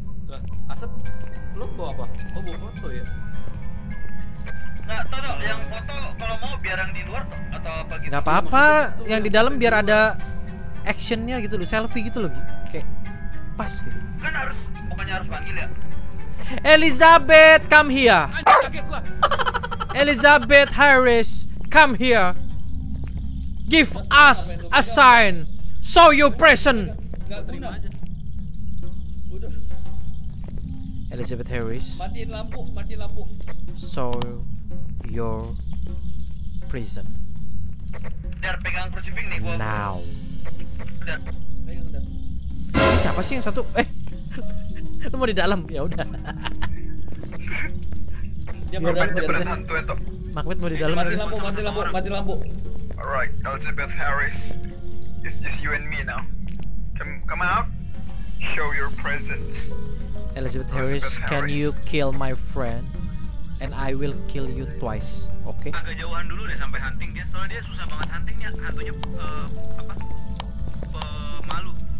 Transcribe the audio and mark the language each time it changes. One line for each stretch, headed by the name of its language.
Indonesian: Lah, asap? Lu bawa apa? Oh, bawa foto ya. Nggak, toh dong, yang foto kalau mau biar yang di luar toh, atau apa gitu. Nggak apa-apa, yang di dalam biar ada actionnya gitu loh, selfie gitu loh, kayak pas gitu. Kan harus, pokoknya harus panggil ya.
English: Elizabeth, come here.
Indonesian: Kaget gua.
English: Elizabeth Harris, come here. Give us a sign. Show your presence.
Indonesian: Nggak terima aja. Udah. Elizabeth Harris. Matiin lampu.
English: Show your prison.
Indonesian: Dar, pegang crucifix nih gua.
English: Now.
Indonesian: Dar. Pegang, Dar. Ini siapa sih yang satu? Lu mau di dalam? Ya udah. Dia mau di dalam. Makmet mau di dalam. Mati lampu.
English: Alright, Elizabeth Harris. It's just you and me now. Come out. Show your presence. Elizabeth Harris, can you kill my friend? And I will kill you twice, okay?
Indonesian: Agak jauhan dulu deh sampai hunting dia, soalnya dia susah banget huntingnya, hantunya pemalu.